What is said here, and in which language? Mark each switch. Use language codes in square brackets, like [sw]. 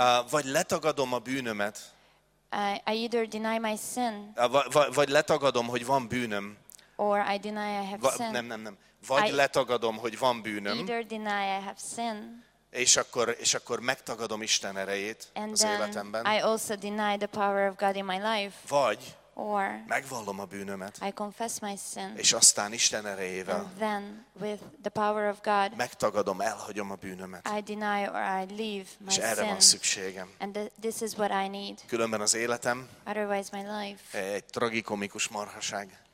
[hu] Vagy letagadom a bűnömet. [en] I either deny my sin. [hu] Vagy letagadom, hogy van bűnöm. [en] Or I deny I have sin. [hu] Nem. Vagy letagadom, hogy van bűnöm. [en] Either deny I have sin. [hu] És akkor megtagadom Isten erejét [en] and [hu] az életemben. [en] I also deny the power of God in my life. [hu] Vagy. [en] Or [hu] megvallom a bűnömet. [en] I confess my sin. [hu] És aztán Isten erejével. [en] And then with the power of God. [hu] Megtagadom, elhagyom a bűnömet. [en] I deny or I leave my sin. [hu] És erre van szükségem. [en] And this is what I need. [hu] Különben az életem. [en] Otherwise my life. [hu] Egy tragikomikus marhaság.